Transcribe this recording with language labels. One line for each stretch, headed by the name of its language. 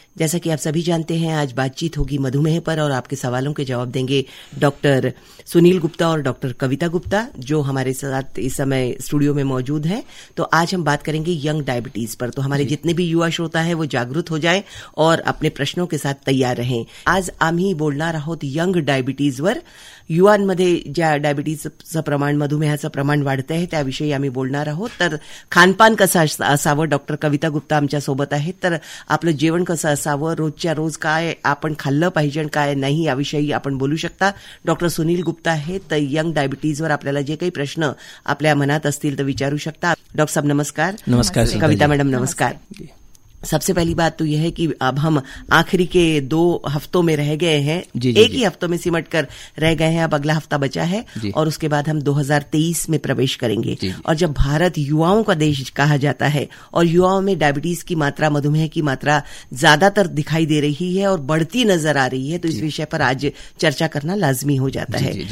Hindi: जैसा कि आप सभी जानते हैं आज बातचीत होगी मधुमेह पर और आपके सवालों के जवाब देंगे डॉक्टर सुनील गुप्ता और डॉक्टर कविता गुप्ता जो हमारे साथ इस समय स्टूडियो में मौजूद हैं। तो आज हम बात करेंगे यंग डायबिटीज पर, तो हमारे जितने भी युवा श्रोता है वो जागरूक हो जाए और अपने प्रश्नों के साथ तैयार रहें।
Marathi: आज आम्ही बोलणार आहोत यंग डायबिटीज वर, युवांमध्ये ज्या डायबिटीजचं प्रमाण मधुमेहाचं प्रमाण वाढतं आहे त्याविषयी आम्ही बोलणार आहोत। तर खानपान कसं असावं, डॉक्टर कविता गुप्ता आमच्या सोबत आहेत, तर आपलं जेवण कसं असावं, रोजच्या रोज काय आपण खाल्लं पाहिजे आणि काय नाही याविषयी आपण बोलू शकता। डॉक्टर सुनील गुप्ता आहेत, तर यंग डायबिटीजवर आपल्याला जे काही प्रश्न आपल्या मनात असतील तर विचारू शकता।
Hindi: डॉक्टर साहब नमस्कार। नमस्कार
Marathi: कविता मॅडम, नमस्कार।
Hindi: सबसे पहली बात तो यह है कि अब हम आखिरी के दो हफ्तों में रह गए हैं, एक ही हफ्तों में सिमट कर रह गए हैं, अब अगला हफ्ता बचा है और उसके बाद हम 2023 में प्रवेश करेंगे। और जब भारत युवाओं का देश कहा जाता है और युवाओं में डायबिटीज की मात्रा, मधुमेह की मात्रा ज्यादातर दिखाई दे रही है और बढ़ती नजर आ रही है, तो इस विषय पर आज चर्चा करना लाजमी हो जाता है।